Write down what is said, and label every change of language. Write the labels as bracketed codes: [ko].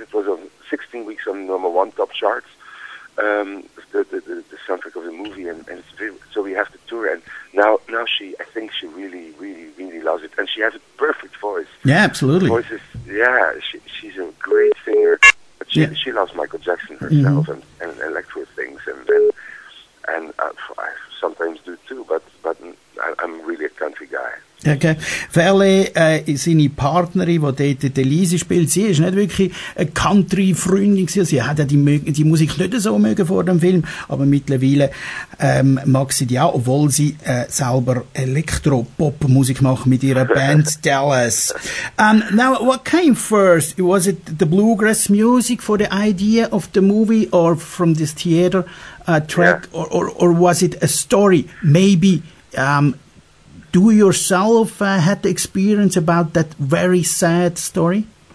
[en] It was on 16 weeks on number one top charts, the soundtrack of the movie, and it's very, so we have to tour, and now she, I think she really, really, really loves it, and she has a perfect voice. Yeah, absolutely. Her voice is, she's a great singer, but she loves Michael Jackson herself, mm-hmm. and electro things, and sometimes do too, but I'm really a country guy. Okay. [de] Verle, seine Partnerin, die dort die Elise spielt, sie ist nicht wirklich eine Country-Freundin gewesen. Sie hat ja die Musik nicht so mögen vor dem Film, aber mittlerweile mag sie die auch, obwohl sie selber Elektro-Pop-Musik macht mit ihrer Band Dallas. [en] Now, what came first? Was it the bluegrass music for the idea of the movie or from this theater track? Yeah. Or was it a story? Maybe... Do you yourself had the experience about that very sad story?